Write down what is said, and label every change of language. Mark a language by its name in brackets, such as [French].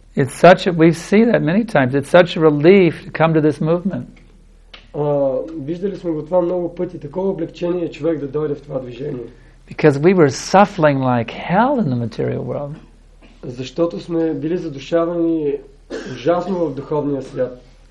[English] It's such a, we've seen that many times. It's such a relief to come to this movement. [Bulgarian] Виждали сме го това много пъти. Такова облегчение е човек да дойде в това движение. [English] Because we were suffering like hell in the material world. [Bulgarian] Защото сме били задушавани ужасно в духовния свят.